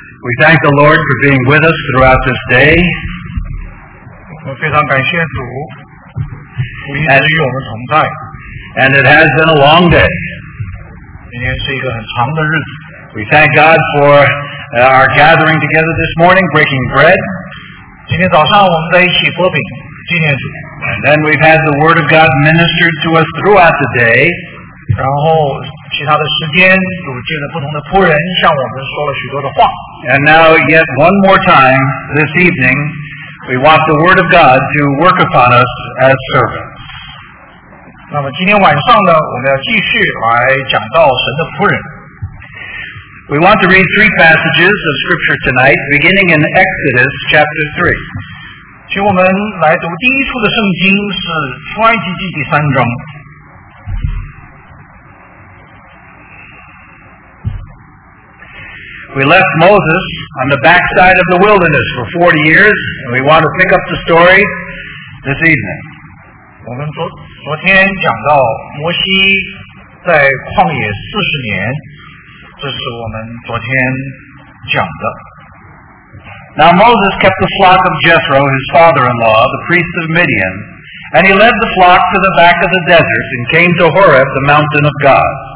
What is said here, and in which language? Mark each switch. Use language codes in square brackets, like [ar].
[en] We thank the Lord for being with us throughout this day. [zh] 我非常感谢主，一直与我们同在。 [en] And it has been a long day. [zh] 今天是一个很长的日子。 [en] We thank God for our gathering together this morning, breaking bread. [zh] 今天早上我们在一起擘饼，纪念主。 [en] And then we've had the Word of God ministered to us throughout the day. [zh] 然后其他的时间，主借着不同的仆人向我们说了许多的话。 [en] And now, yet one more time this evening, we want the Word of God to work upon us as servants. [zh] 那么今天晚上呢，我们要继续来讲到神的仆人。 [en] We want to read three passages of Scripture tonight, beginning in Exodus chapter 3. [zh] 请我们来读第一处的圣经是出埃及记第三章。 [en] We left Moses on the backside of the wilderness for 40 years, and we want to pick up the story this evening. [zh] 我们昨天讲到摩西在旷野40年, 这是我们昨天讲的。 [en] Now Moses kept the flock of Jethro, his father-in-law, the priest of Midian, and he led the flock to the back of the desert and came to Horeb, the mountain of God.